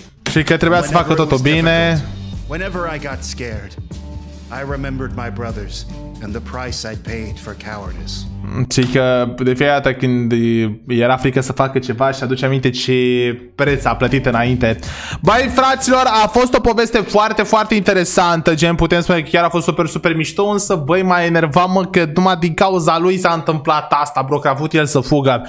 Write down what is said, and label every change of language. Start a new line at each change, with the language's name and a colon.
Romanian: Și că trebuia să facă totul bine.
English: Whenever I got scared, I remembered my brothers and the price I'd paid for cowardice.
Romanian: Și că de fiecare dată când era frică să facă ceva, și aduce aminte ce preț a plătit înainte. Băi, fraților, a fost o poveste foarte, foarte interesantă. Gen, putem spune că chiar a fost super, super mișto. Însă, băi, m-a enervat, mă, că numai din cauza lui s-a întâmplat asta, bro, că a avut el să fugă.